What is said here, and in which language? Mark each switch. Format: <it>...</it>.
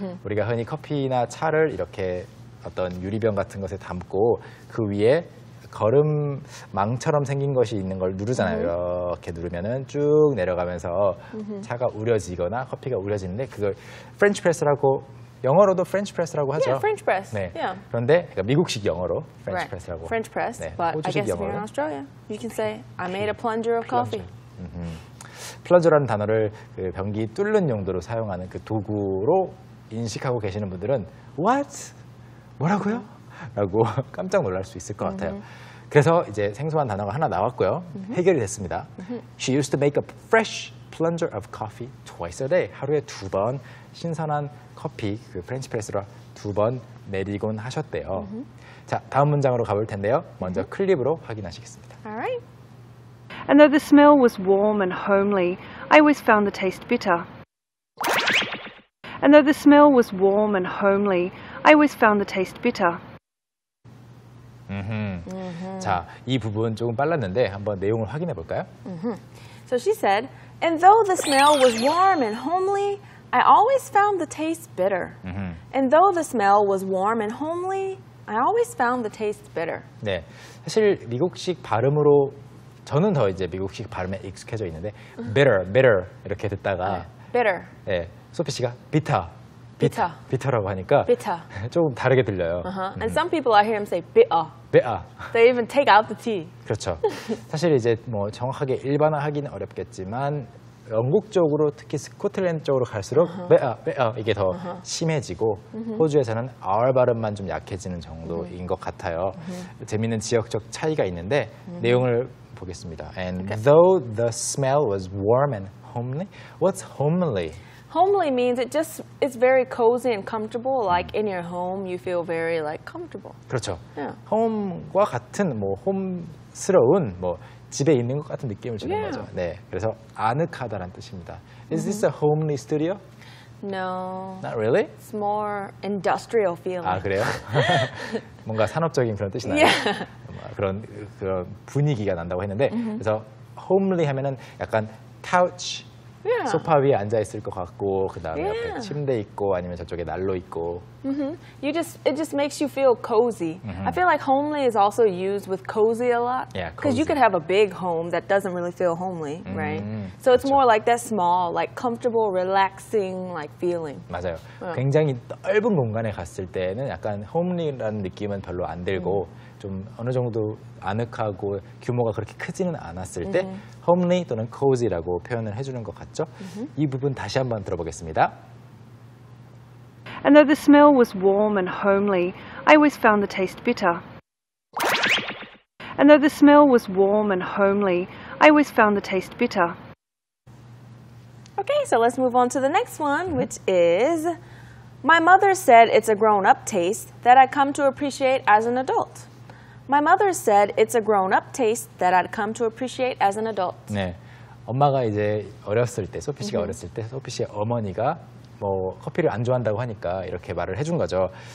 <ko>우리가 흔히 커피나 차를 이렇게 어떤 유리병 같은 것에 담고 그 위에 걸음망처럼 생긴 것이 있는 걸 누르잖아요. 이렇게 누르면은 쭉 내려가면서 차가 우려지거나 커피가 우려지는데 그걸 프렌치 프레스라고 영어로도 프렌치 프레스라고 하죠.</ko> <en>Yeah, French press.</en> <ko>네.</ko> <en>Yeah.</en> <ko>그런데 그러니까 미국식 영어로 프렌치 프레스라고.</ko> <en>French press.</en> <ko>네.</ko> <en>But I guess if you're in Australia, you can say I made a plunger of coffee. Plunger.</en> <ko>플런저라는 단어를 그 변기 뚫는 용도로 사용하는 그 도구로 인식하고 계시는 분들은</ko> <en>What?</en> <ko>뭐라고요? 라고 깜짝 놀랄 수 있을 것 같아요. 그래서 이제 생소한 단어가 하나 나왔고요. 해결이 됐습니다.</ko> <en>She used to make a fresh plunger of coffee twice a day.</en> <ko>하루에 두 번 신선한 커피, 그 프렌치 프레스로 두 번 내리곤 하셨대요. 자, 다음 문장으로 가볼 텐데요. 먼저 클립으로 확인하시겠습니다.</ko> <en>And though the smell was warm and homely, I always found the taste bitter. And though the smell was warm and homely, I always found the taste bitter. Mm-hmm. Mm-hmm.</en> <ko>자, 이 부분 조금 빨랐는데 한번 내용을 확인해 볼까요? Mm-hmm.</ko> <en>So she said, and though the smell was warm and homely, I always found the taste bitter. Mm-hmm. And though the smell was warm and homely, I always found the taste bitter.</en> <ko>네, 사실 미국식 발음으로 저는 더 이제 미국식 발음에 익숙해져 있는데 bitter, bitter 이렇게 듣다가</ko> <en>네. bitter.</en> <ko>네, 소피 씨가 bitter.</ko> <en>Bitter.</en> <ko>Bitter라고 하니까</ko> <en>bitter.</en> <ko>조금 다르게 들려요. Uh-huh.</ko> <en>And some people I hear him say bitter. Bitter. They even take out the T.</en> <ko>그렇죠. 사실 이제 뭐 정확하게 일반화하기는 어렵겠지만 영국적으로 특히 스코틀랜드 쪽으로 갈수록 uh-huh. bitter, bitter 이게 더 uh-huh. 심해지고 uh-huh. 호주에서는 R 발음만 좀 약해지는 정도인 uh-huh. 것 같아요. Uh-huh. 재미있는 지역적 차이가 있는데 uh-huh. 내용을 보겠습니다.</ko> <en>And okay. though the smell was warm and homely, what's homely? Homely means it just it's very cozy and comfortable. Like in your home, you feel very like comfortable.</en> <ko>그렇죠.</ko> <en>Yeah.</en> <ko>Home과 같은 뭐 home스러운 뭐 집에 있는 것 같은 느낌을 주는</ko> <en>yeah.</en> <ko>거죠. 네, 그래서 아늑하다라는 뜻입니다.</ko> <en>Is mm-hmm. this a homely studio? No. Not really? It's more industrial feeling.</en> <ko>아 그래요? 뭔가 산업적인 그런 뜻이 나요.</ko> <en>Yeah.</en> <ko>그런 분위기가 난다고 했는데 mm-hmm. 그래서 homely 하면은 약간 couch.</ko> <en>Yeah.</en> <ko>소파 위에 앉아 있을 것 같고 그다음에 yeah. 옆에 침대 있고 아니면 저쪽에 난로 있고. Mm-hmm.</ko> <en>You just it just makes you feel cozy. Mm-hmm. I feel like homely is also used with cozy a lot. Yeah, cuz you could have a big home that doesn't really feel homely, mm-hmm. right? So it's</en> <ko>그렇죠.</ko> <en>more like that small, like comfortable, relaxing like feeling.</en> <ko>맞아요.</ko> <en>Yeah.</en> <ko>굉장히 넓은 공간에 갔을 때는 약간 homely라는 느낌은 별로 안 들고 mm-hmm. 좀 어느 정도 아늑하고 규모가 그렇게 크지는 않았을 때 mm-hmm. homely 또는 cozy라고 표현을 해주는 것 같죠? Mm-hmm. 이 부분 다시 한번 들어보겠습니다.</ko> <en>And though the smell was warm and homely, I always found the taste bitter. And though the smell was warm and homely, I always found the taste bitter. Okay, so let's move on to the next one, mm-hmm. which is My mother said it's a grown-up taste that I come to appreciate as an adult. My mother said it's a grown-up taste that I'd come to appreciate as an adult.</en> <ko>네, 엄마가 이제 어렸을 때, 소피 씨가 어렸을 때, 소피 씨의 어머니가 뭐 커피를 안 좋아한다고 하니까 이렇게 말을 해준 거죠.</ko>